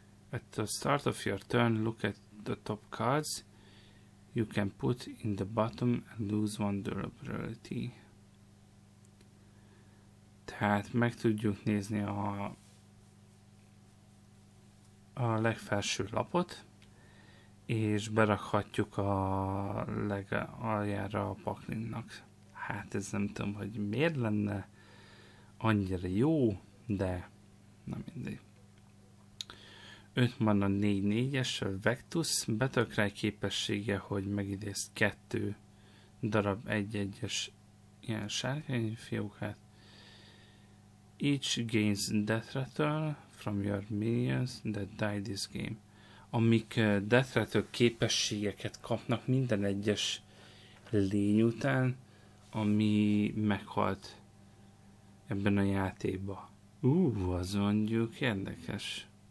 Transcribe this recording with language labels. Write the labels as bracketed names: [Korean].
[English] At the start of your turn, look at the top cards you can put in the bottom and lose 1 durability. [Hungarian] Tehát meg tudjuk nézni a legfelső lapot, és berakhatjuk a legaljára a paklinnak. Hát ez nem tudom, hogy miért lenne annyira jó, de nem mindig. 5 mana, 4-4-es, Vectus, Battle Cry képessége, hogy megidéz 2 darab egy-egyes ilyen sárkány fiókát. [English] Each gains death rattle from your minions that die this game. [Hungarian] Amik death rattle képességeket kapnak minden egyes lény után, ami meghalt ebben a játékba. Az mondjuk érdekes.